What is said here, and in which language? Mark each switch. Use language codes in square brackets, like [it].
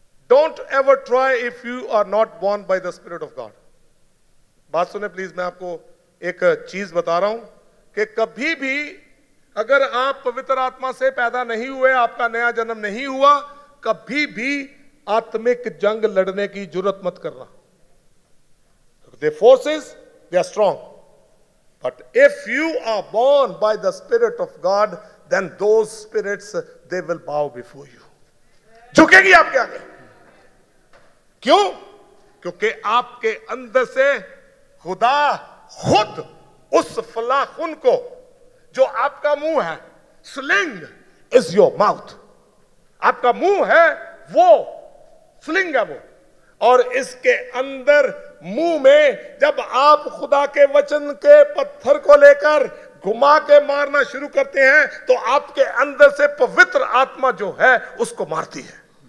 [en] Don't ever try if you are not born by the spirit of God. [hi] बात सुने please, मैं आपको एक चीज बता रहा हूं कि कभी भी अगर आप पवित्र आत्मा से पैदा नहीं हुए, आपका नया जन्म नहीं हुआ, कभी भी आत्मिक जंग लड़ने की जरूरत मत करना। [en] The forces, they are strong. But if you are born by the Spirit of God, then those spirits, they will bow before you. [hi] झुकेगी आपके आगे। क्यों? क्योंकि आपके अंदर से खुदा खुद उस फलाखुन को जो आपका मुंह है, [en] sling is your mouth, [hi] आपका मुंह है वो स्लिंग है वो, और इसके अंदर मुंह में जब आप खुदा के वचन के पत्थर को लेकर घुमा के मारना शुरू करते हैं तो आपके अंदर से पवित्र आत्मा जो है उसको मारती है।